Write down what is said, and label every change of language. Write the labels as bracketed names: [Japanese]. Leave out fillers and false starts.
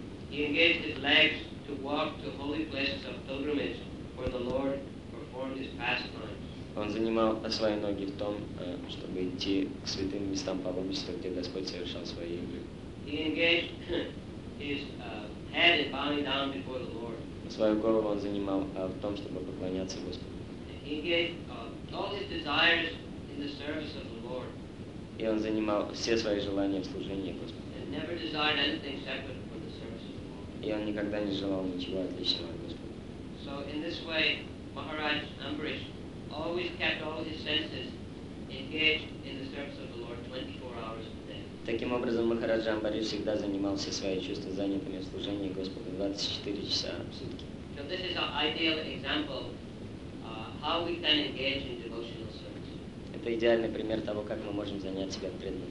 [English] He engaged his legs to walk to holy places of pilgrimage where the Lord performed his pastimes. [Russian] Он занимал свои ноги в том, чтобы идти к святым местам по обществу, где Господь совершал свои игры. [English] He engaged his head in bowing down before the Lord. [Russian] Свою голову он занимал в том, чтобы поклоняться Господу. [English] He engaged all his desires in the service of the Lord. [Russian] И он занимал все свои желания в служении Господу. [English] And never desired anything separate for the service of the Lord. [Russian] И он никогда не желал ничего отличного от Господа. [English] So in this way, Maharaj Ambarish always kept all his senses engaged in the service of the Lord 24 hours a day. [Russian] Таким образом, Махараджа Амбариш всегда занимал все свои чувства занятыми служением Господу 24 часа в сутки. [English] So this is an ideal example how we can engage in devotional service. [Russian] это идеальный пример того, как мы можем занять себя преданным